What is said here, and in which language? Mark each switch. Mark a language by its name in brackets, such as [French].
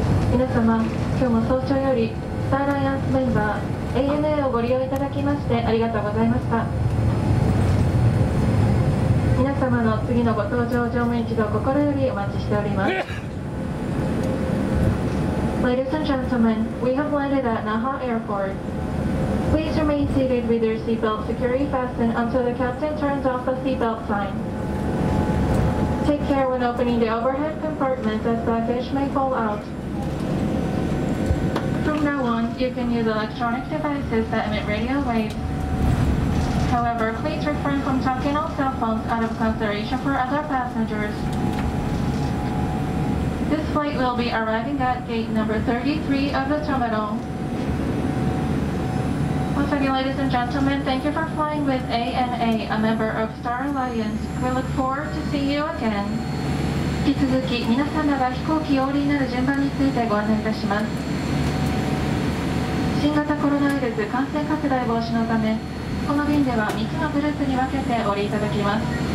[Japanese] 皆様、今日も早朝より、スターライアンスメンバー、ANA をご利用いただきましてありがとうございました。皆様の次のご搭乗乗務一同心よりお待ちしております。 [English] Ladies and gentlemen, we have landed at Naha Airport. Please remain seated with your seatbelt security fasten until the captain turns off the seatbelt sign. Take care when opening the overhead compartment as baggage may fall outYou can use electronic devices that emit radio waves. However, please refrain from talking on cell phones out of consideration for other passengers. This flight will be arriving at gate number 33 of the terminal. Once again, ladies and gentlemen, thank you for flying with ANA, a member of Star Alliance. We look forward to seeing you again. [Japanese] 引き続き、皆様が飛行機をお降りになる順番についてご案内いたします。新型コロナウイルス感染拡大防止のため、この便では3つのグループに分けてお降りいただきます。